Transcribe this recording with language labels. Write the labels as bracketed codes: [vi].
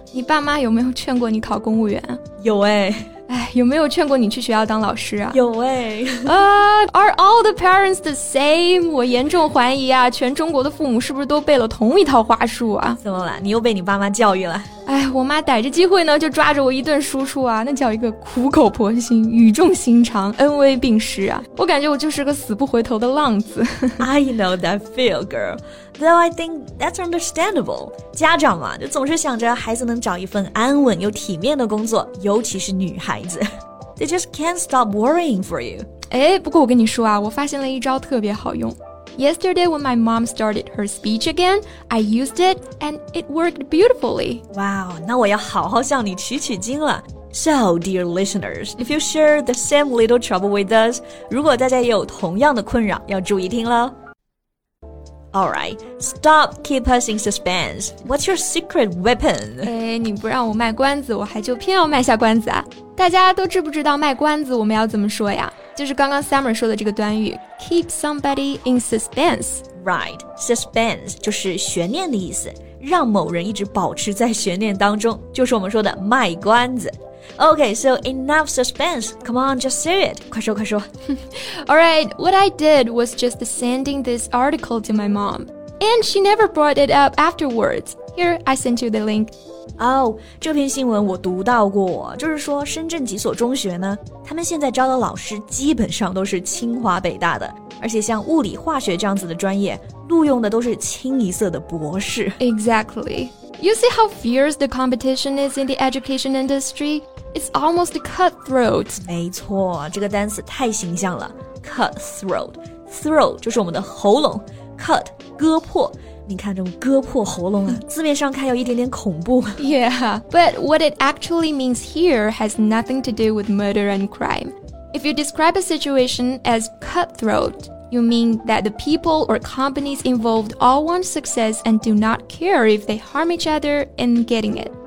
[zh] 你爸妈有没有劝过你考公务员？有哎。有没有劝过你去学校当老师啊？有哎。 [en] Are all the parents the same? [zh] 我严重怀疑啊，全中国的父母是不是都背了同一套话术啊？怎么了？你又被你爸妈教育了？我妈逮着机会呢，就抓着我一顿输出啊，那叫一个苦口婆心、语重心长、恩威并施啊！我感觉我就是个死不回头的浪子。 [en] I know that feel, girl. Though I think that's understandable. [zh] 家长嘛，就总是想着孩子能找一份安稳又体面的工作，尤其是女孩子。 [en] They just can't stop worrying for you. [zh] 不过我跟你说啊，我发现了一招特别好用。 [en] Yesterday when my mom started her speech again, I used it and it worked beautifully. Wow, [zh] 那我要好好向你取取经了。 [en] So, dear listeners, if you share the same little trouble with us, [zh] 如果大家也有同样的困扰，要注意听了。 [en] Alright, stop keep us in suspense. What's your secret weapon? [zh] 你不让我卖关子，我还就偏要卖下关子啊。大家都知不知道卖关子我们要怎么说呀？就是刚刚 Summer 说的这个短语 [en] Keep somebody in suspense. [zh] Right, suspense 就是悬念的意思，让某人一直保持在悬念当中，就是我们说的卖关子。 [en] Okay, so enough suspense. Come on, just say it. [zh] 快说快说。 [en] Alright, what I did was just sending this article to my mom, and she never brought it up afterwards. Here, I sent you the link. [zh] 这篇新闻我读到过，就是说深圳几所中学呢，他们现在招的老师基本上都是清华北大的，而且像物理化学这样子的专业录用的都是清一色的博士。 [en] Exactly. You see how fierce the competition is in the education industry? It's almost cutthroat. [zh] 没错，这个单词太形象了， cutthroat. Throat 就是我们的喉咙， cut 割破，你看这种割破喉咙啊，字面上看有一点点恐怖。 [en] Yeah, but what it actually means here has nothing to do with murder and crime. If you describe a situation as cutthroat, you mean that the people or companies involved all want success and do not care if they harm each other in getting it.